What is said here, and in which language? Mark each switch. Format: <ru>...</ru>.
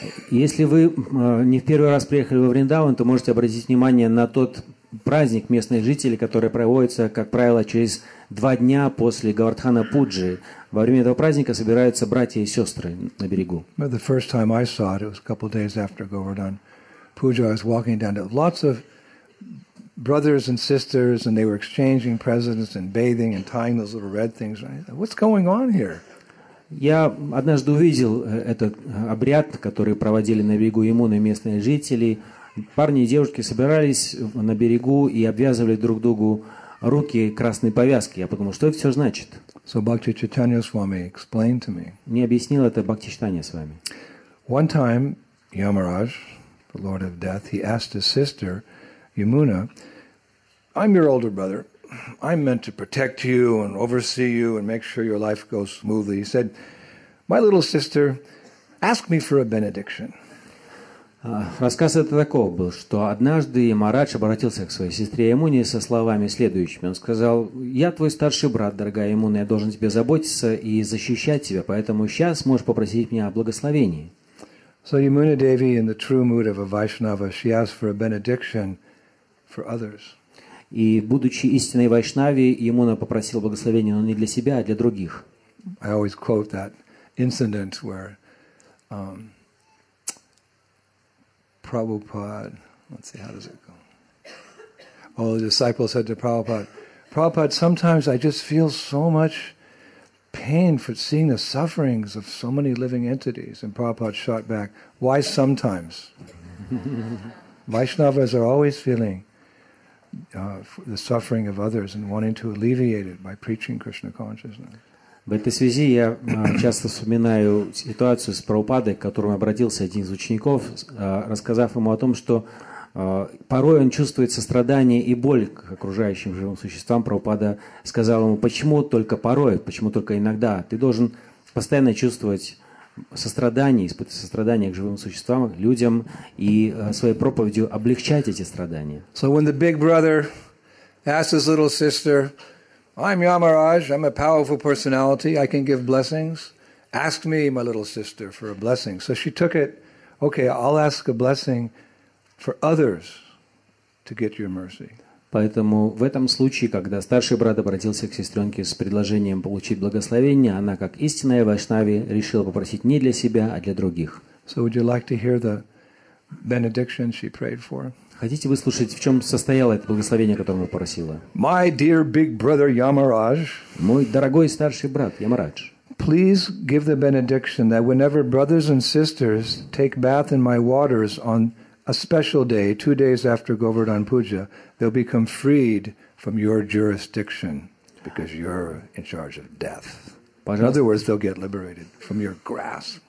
<ru>Если вы не в первый раз приехали во Вриндаван, то можете обратить внимание на тот праздник местных жителей, который проводится, как правило, через 2 дня после Говардхана Пуджи. Во время этого праздника собираются братья и сестры на берегу.</ru> <en>The first time I saw it, it was a couple of days after Govardhan Puja. I was walking down to lots of brothers and sisters, and they were exchanging presents and bathing and tying those little red things. What's going on here?</en> <ru>Я однажды увидел этот обряд, который проводили на берегу Ямуны местные жители. Парни и девушки собирались на берегу и обвязывали друг другу руки красной повязки. Я подумал, что это все значит?</ru> <en>So Bhakti Chaitanya Swami explained to me.</en> <ru>Мне объяснил это Бхакти Чайтанья Свами.</ru> <en>One time, Yamaraj, the lord of death, he asked his sister, Yamuna, I'm your older brother. I'm meant to protect you and oversee you and make sure your life goes smoothly. He said, my little sister, ask me for a benediction.</en> <ru>Рассказ это такой был, что однажды Ямарадж обратился к своей сестре Ямуне со словами следующими. Он сказал, я твой старший брат, дорогая Ямуна, я должен тебе заботиться и защищать тебя, поэтому сейчас можешь попросить меня о благословении.</ru> <en>So Yamuna Devi, in the true mood of a Vaishnava, she asked for a benediction for others.</en> <ru>И, будучи истинной вайшнави, Ямуна попросил благословения, но не для себя, а для других.</ru> <en>I always quote that incident where Prabhupada, let's see, how does it go? All the disciples said to Prabhupada, Prabhupada, sometimes I just feel so much pain for seeing the sufferings of so many living entities. And Prabhupada shot back, why sometimes? Vaishnavas are always feeling the suffering of others and wanting to alleviate it by preaching Krishna consciousness.</en> <ru>В этой связи я часто вспоминаю ситуацию с Прабхупадой, к которому обратился один из учеников, рассказав ему о том, что порой он чувствует сострадание и боль к окружающим живым существам. Прабхупада сказал ему, почему только порой, почему только иногда? Ты должен постоянно чувствовать сострадание, испытывать сострадание к живым существам, к людям, и своей проповедью облегчать эти страдания.</ru> <en>So when the big brother asks his little sister, I'm Yamaraj, I'm a powerful personality, I can give blessings. Ask me, my little sister, for a blessing. So she took it, okay, I'll ask a blessing for others to get your mercy.</en> <ru>Поэтому в этом случае, когда старший брат обратился к сестренке с предложением получить благословение, она, как истинная вайшнави, решила попросить не для себя, а для других.</ru> <en>So would you like to hear the benediction she prayed for?</en> <ru>Хотите выслушать, в чем состояло это благословение, которое она попросила?</ru> <en>My dear big brother Yamaraj,</en> <ru>мой дорогой старший брат Ямарадж,</ru> <en>please give the benediction that whenever brothers and sisters take bath in my waters on a special day, 2 days after Govardhan Puja, they'll become freed from your jurisdiction because you're in charge of death.</en> <ru>Пожалуйста.</ru> <en>In other words, they'll get liberated from your grasp.</en>